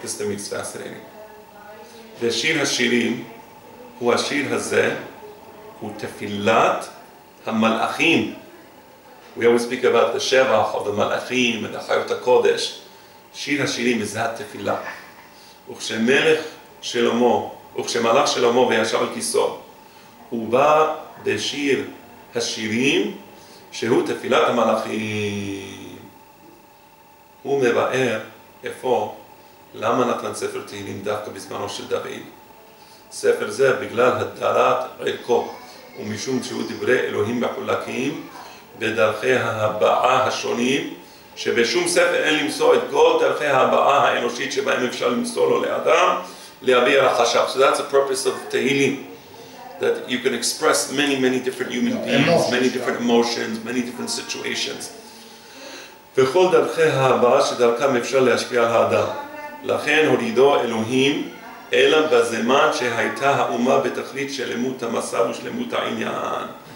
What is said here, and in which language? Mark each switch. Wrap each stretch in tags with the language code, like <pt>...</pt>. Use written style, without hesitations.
<en>This to me is fascinating. The Shir HaShirim, who Ashir Hazeh, who Tefillat HaMalachim. We always speak about the Shevach of the Malachim and the Chayot HaKodesh. Shir HaShirim is that Tefillah. Uchshe Melech</en> <he>שלמה, וכשמלך שלמה וישב על כיסו, הוא בא בשיר השירים, שהוא תפילת המלאכים. הוא מבאר איפה, למה נתן ספר תהילים דווקא בזמנו של דוד. ספר זה בגלל הדרת ערכו, ומשום שהוא דברי אלוהים מחולקים, בדרכי ההבעה השונים, שבשום ספר אין למסור את כל דרכי ההבעה האנושית שבהם אפשר למסור לו לאדם, להביע רחשיו.</he> <en>So that's the purpose of Tehillim, that you can express many, many different human beings, many different emotions, many different situations.</en> <he>וכל דרכי ההבעה שדרכם אפשר להשפיע על האדם. לכן הורידו אלוהים, אלא בזמן שהייתה האומה בתכלית שלמות המסב ושלמות העניין.</he>